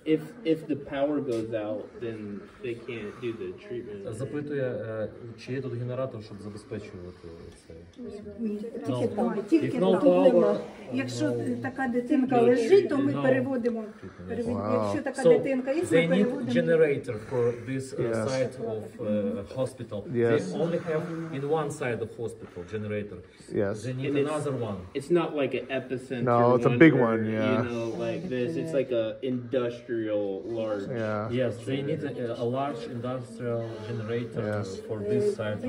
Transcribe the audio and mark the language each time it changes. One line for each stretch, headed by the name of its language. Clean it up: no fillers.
English: And if the power goes out, then they can't do the treatment.
Ukrainian: Запитує, чи є тут генератор, щоб забезпечувати це? Ні, тільки там проблема. Якщо така дитинка лежить, то ми переводимо. Якщо така дитинка є, ми переводимо.
English: They need generator for this side of hospital. Yes. They only have in one side of hospital generator. generator. Yes. They need another one. It's not like an epicenter. No, it's a big one, yeah. You know, like this. It's like a industrial large. Yeah. Yes, they need a large industrial generator for this side of the